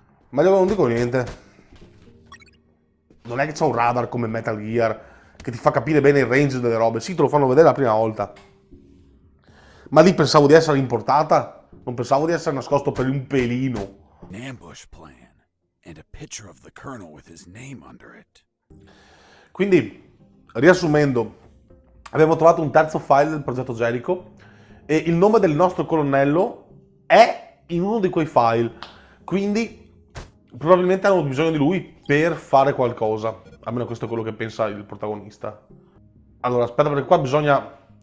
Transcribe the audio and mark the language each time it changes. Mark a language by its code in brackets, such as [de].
[it] Ma io non dico niente. Non è che c'è un radar come Metal Gear che ti fa capire bene il range delle robe. Sì, te lo fanno vedere la prima volta. Ma lì pensavo di essere importata. Non pensavo di essere nascosto per un pelino. [en] Ambush plan and a picture of the colonel with his name under it. [it] Quindi, riassumendo, abbiamo trovato un terzo file del progetto Jericho e il nome del nostro colonnello è in uno di quei file. Quindi, probabilmente hanno bisogno di lui per fare qualcosa. Almeno questo è quello che pensa il protagonista. Allora, aspetta, perché qua bisogna...